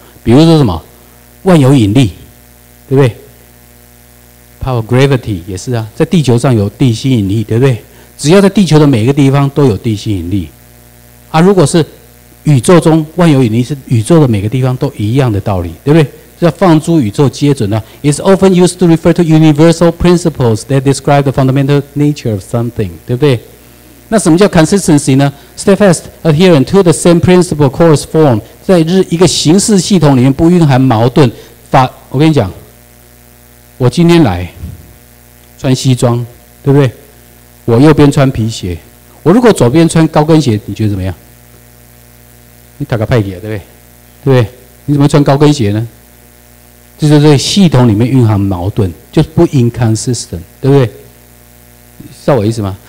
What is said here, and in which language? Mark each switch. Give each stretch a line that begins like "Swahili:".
Chinese: 比如说什么万有引力，对不对？
English: Power gravity
Chinese: 也是啊，在地球上有地心引力，对不对？只要在地球的每个地方都有地心引力啊，如果是宇宙中万有引力是宇宙的每个地方都一样的道理，对不对？叫放诸宇宙皆准呢。
English: It's often used to refer to universal principles that describe the fundamental nature of something，
Chinese: 对不对？那什么叫 consistency 呢？
English: Steadfast adherence to the same principle calls form，
Chinese: 在一个形式系统里面不蕴含矛盾。法，我跟你讲，我今天来穿西装，对不对？我右边穿皮鞋，我如果左边穿高跟鞋，你觉得怎么样？你打个派给，对不对？对不对？你怎么穿高跟鞋呢？就是在系统里面蕴含矛盾，就是不 inconsistent， 对不对？知道我意思吗？